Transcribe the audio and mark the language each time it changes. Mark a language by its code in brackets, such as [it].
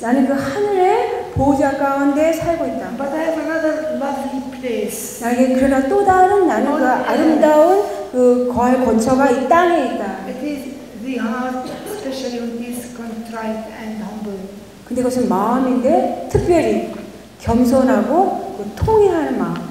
[ko] 나는 그 하늘의 보좌 가운데 살고 있다. [en] But I have another lovely place. [ko] 나에게 그러나 또 다른 나는 그 아름다운 그 거할 거처가 이 땅에 있다. [en] It is the heart, especially with this contrite and humble. [ko] 근데 그것은 마음인데 특별히 겸손하고 그 통일하는 마음.